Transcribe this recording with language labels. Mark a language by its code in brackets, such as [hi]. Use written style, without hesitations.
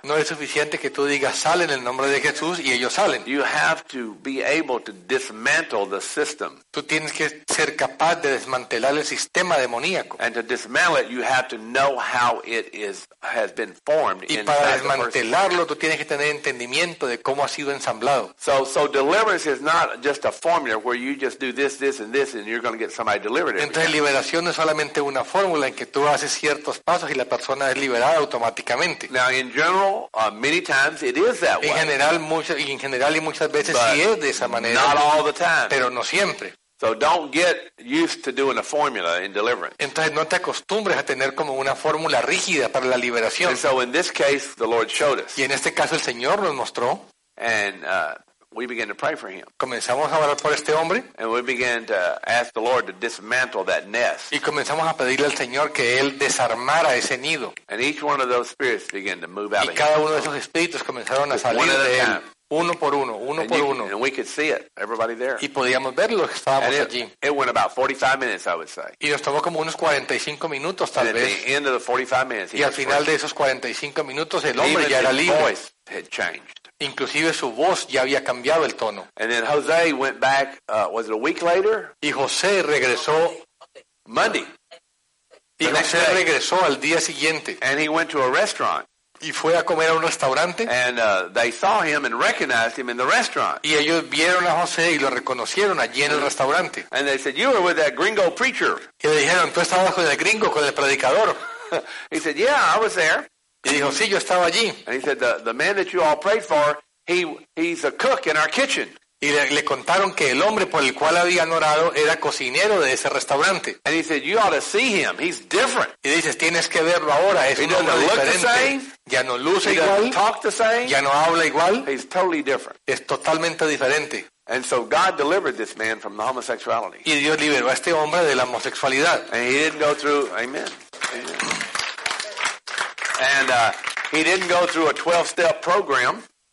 [es] No es suficiente que tú digas, "Sal en el nombre de Jesús," y ellos salen. [en] You have to be able to dismantle the system. [es] Tú tienes que ser capaz de desmantelar el sistema demoníaco. [en] And to dismantle it, you have to know how it is has been formed. [es] Y para desmantelarlo, tú tienes que tener entendimiento de cómo ha sido ensamblado. [en] So deliverance is not just a formula where you just do this, and this, and you're going to get somebody delivered. [es] Entonces, liberación no es solamente una fórmula en que tú haces ciertos pasos y la persona es liberada automáticamente. [en] Now, in general, many times it is that way. [es] En general y muchas veces sí es de esa manera. [en] Not all the time. [es] Pero no siempre. [en] So don't get used to doing a formula in deliverance. [es] Entonces no te acostumbres a tener como una fórmula rígida para la liberación. [en] And so in this case, the Lord showed us. [es] Y en este caso el Señor nos mostró. [en] And we began to pray for him. [es] Comenzamos a orar por este hombre. [en] And we began to ask the Lord to dismantle that nest. [es] Y comenzamos a pedirle al Señor que él desarmara ese nido. [en] And each one of those spirits began to move out of him. [es] Y cada uno de esos espíritus comenzaron a salir de él. Uno por uno, uno por uno. [en] And we could see it, everybody there. [es] Y podíamos verlo, estábamos allí. [en] It went about 45 minutes, I would say. [es] Y nos tomó como unos 45 minutos, tal vez. [en] At the end of the 45 minutes, [es] y al final de esos 45 minutos, el hombre ya era libre. [en] His voice had changed. [es] Inclusive su voz ya había cambiado el tono. [en] And then Jose went back, was it a week later? [es] Y José regresó. [en] Monday. [es] Y José regresó al día siguiente. [en] And he went to a restaurant. [es] Y fue a comer a un restaurante. [en] And they saw him and recognized him in the restaurant. [es] Y ellos vieron a José y lo reconocieron allí en el restaurante. [en] And they said, "You were with that gringo preacher." [es] Y le dijeron, "Tú estabas con el gringo, con el predicador." [en] He said, "Yeah, I was there." [es] Y dijo, "Sí, yo estaba allí." [en] And he said, "The man that you all prayed for, he's a cook in our kitchen." [es] Y le contaron que el hombre por el cual habían orado era cocinero de ese restaurante. [en] And he said, "You ought to see him. He's different." [es] Y dices, "Tienes que verlo ahora. Es un hombre diferente. Ya no luce igual. [en] Talk the same. [es] Ya no habla igual. [en] He's totally different." [es] Es totalmente diferente. [en] And so God delivered this man from the homosexuality. [es] Y Dios liberó a este hombre de la homosexualidad. [en] And he didn't go through. Amen. And he didn't go through a 12-step program.